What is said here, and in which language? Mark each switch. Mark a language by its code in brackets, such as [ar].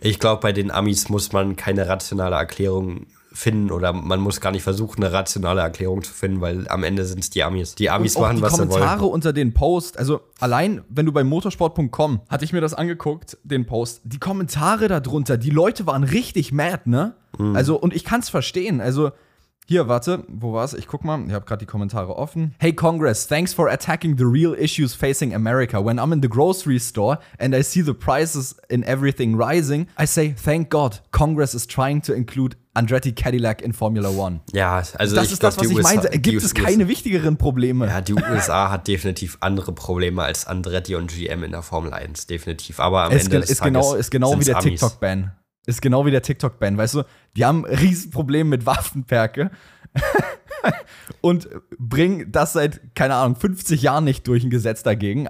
[de] Ich glaube, bei den Amis muss man keine rationale Erklärung finden oder man muss gar nicht versuchen, eine rationale Erklärung zu finden, weil am Ende sind es die Amis. Die Amis und machen, die was sie wollen. Die Kommentare unter den Post, also allein, wenn du bei motorsport.com, hatte ich mir das angeguckt, den Post, die Kommentare darunter, die Leute waren richtig mad, ne? Also, und ich kann es verstehen, also hier, warte, wo war's? Ich guck mal, ich hab grad die Kommentare offen. [en] Hey Congress, thanks for attacking the real issues facing America. When I'm in the grocery store and I see the prices in everything rising, I say, thank God, Congress is trying to include Andretti Cadillac in Formula One. [de] Ja, also das ist das, was ich meinte. Gibt es keine wichtigeren Probleme? Ja, die USA hat definitiv andere Probleme als Andretti und GM in der Formel 1, definitiv. Aber am Ende ist es genau wie der TikTok-Ban. Ist genau wie der TikTok-Ban, weißt du? Die haben ein Riesenproblem mit Waffenperke und bringen das seit, keine Ahnung, 50 Jahren nicht durch ein Gesetz dagegen.